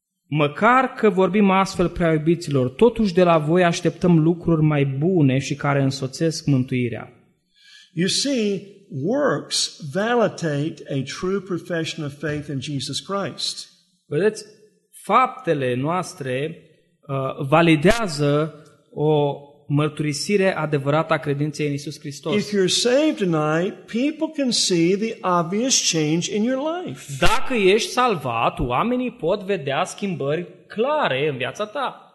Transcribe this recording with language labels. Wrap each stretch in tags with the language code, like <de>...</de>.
<ro>Măcar că vorbim astfel, prea iubiților, totuși de la voi așteptăm lucruri mai bune și care însoțesc mântuirea.</ro> <en>You see, works validate a true profession of faith in Jesus Christ.</en> <ro>Vedeți, faptele noastre validează o mărturisire adevărată a credinței în Iisus Hristos.</ro> <en>If you're saved tonight, people can see the obvious change in your life.</en> <ro>Dacă ești salvat, oamenii pot vedea schimbări clare în viața ta.</ro>